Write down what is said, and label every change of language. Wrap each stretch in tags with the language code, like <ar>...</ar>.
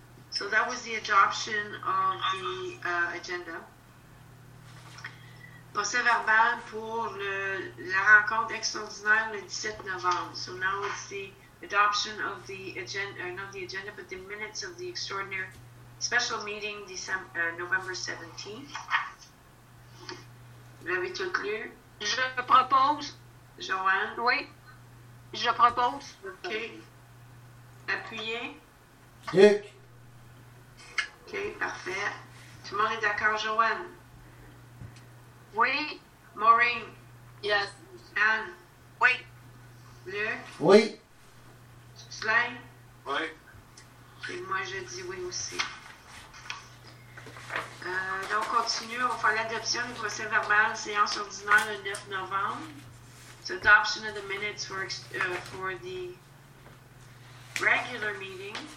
<en>So that was the adoption of the agenda.</en> <fr>procès-verbal pour la rencontre extraordinaire le 17 novembre.</fr> <en>So now it's the adoption of the agenda, not the agenda, but the minutes of the extraordinary special meeting November 17th.</en> <fr>Vous avez tout lu? Je propose. Joanne? Oui. Je propose. OK. Appuyez. Dick. OK, parfait. Tout le monde est d'accord, Joanne? Oui. Maureen?</fr> <en>Yes.</en> <fr>Anne? Oui. Luc? Oui. Slain? Oui. Et moi, je dis oui aussi. Donc, on continue. On va faire l'adoption du procès verbal, séance ordinaire le 9 novembre.</fr> <en>It's adoption of the minutes for the regular meeting.</en>